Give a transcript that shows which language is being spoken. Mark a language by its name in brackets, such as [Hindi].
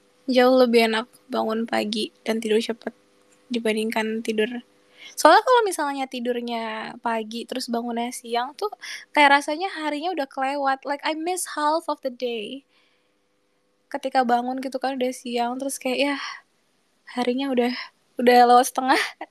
[Indonesian] Jauh lebih enak bangun pagi dan tidur cepat dibandingkan tidur. Soalnya kalau misalnya tidurnya pagi terus bangunnya siang tuh kayak rasanya harinya udah kelewat. [English] Like, I miss half of the day. [Indonesian] Ketika bangun gitu kan udah siang terus kayak ya harinya udah lewat setengah.